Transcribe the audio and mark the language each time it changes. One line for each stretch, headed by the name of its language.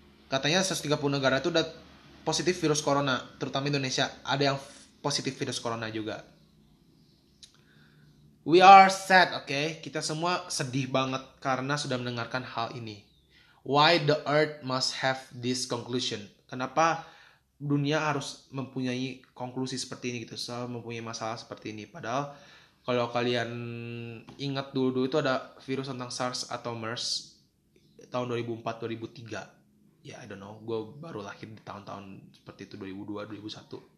Indonesian: Katanya 130 negara tuh udah positif virus corona, terutama Indonesia, ada yang positif virus corona juga.
English: We are sad,
Indonesian: oke? Okay? Kita semua sedih banget karena sudah mendengarkan hal ini.
English: Why the earth must have this conclusion?
Indonesian: Kenapa dunia harus mempunyai konklusi seperti ini gitu? So, mempunyai masalah seperti ini. Padahal, kalau kalian ingat dulu-dulu itu ada virus tentang SARS atau MERS tahun 2004-2003. Ya,
English: yeah, I don't know.
Indonesian: Gue baru lahir di tahun-tahun seperti itu, 2002-2001.